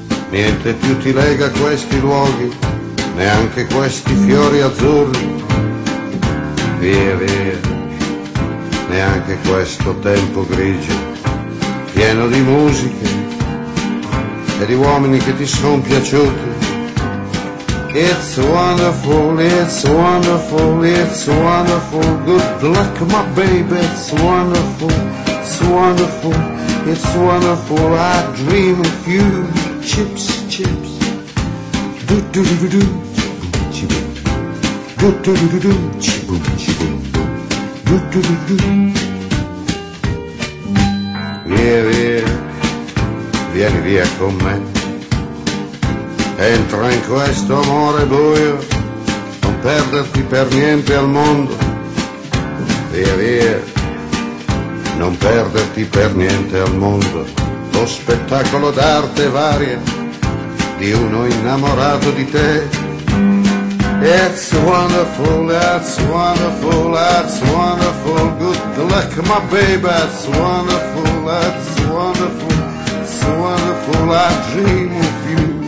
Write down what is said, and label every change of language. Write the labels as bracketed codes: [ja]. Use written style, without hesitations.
[it] Niente più ti lega questi luoghi, neanche questi fiori azzurri. Via, via, neanche questo tempo grigio, pieno di musiche e di uomini che ti son piaciuti. [en] It's wonderful, it's wonderful, it's wonderful. Good luck, my baby, it's wonderful, it's wonderful, it's wonderful. I dream of you, chips, chips. Do do do do do, chip. Do do do do do, chip, chip. Do do do do. [it] Via, via, vieni via con me. Entra in questo amore buio, non perderti per niente al mondo. Via, via, non perderti per niente al mondo. Lo spettacolo d'arte varia di uno innamorato di te. [en] It's wonderful, that's wonderful, that's wonderful. Good luck, my baby, that's wonderful, that's wonderful, it's wonderful, I dream of you.